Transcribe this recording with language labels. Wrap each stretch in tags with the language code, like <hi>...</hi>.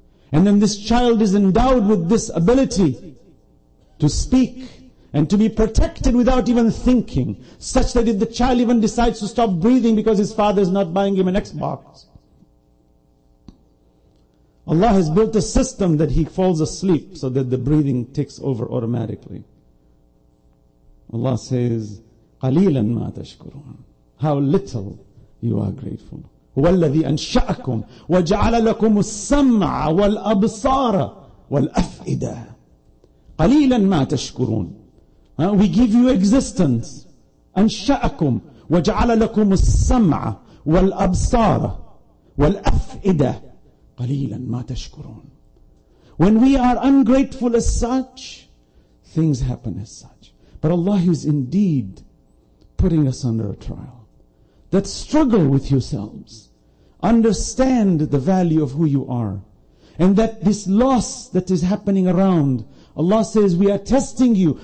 <en>And then this child is endowed with this ability to speak and to be protected without even thinking, such that if the child even decides to stop breathing because his father is not buying him an Xbox, Allah has built a system that he falls asleep so that the breathing takes over automatically. Allah says,</en> <ar>قَلِيلًا مَا تَشْكُرُونَ.</ar> <en>How little you are grateful.</en> <ar>وَالَّذِي أَنْشَأَكُمْ وَجَعَلَ لَكُمُ السَّمْعَ وَالْأَبْصَارَ والأفئدة قليلا ما تشكرون.</ar> <en>We give you existence.</en> <ar>أنشأكم وجعل لكم السمع والأبصار والأفئدة قليلا ما تشكرون.</ar> <en>When we are ungrateful as such, things happen as such. But Allah is indeed putting us under a trial. That struggle with yourselves. Understand the value of who you are. And that this loss that is happening around, Allah says, we are testing you.</en>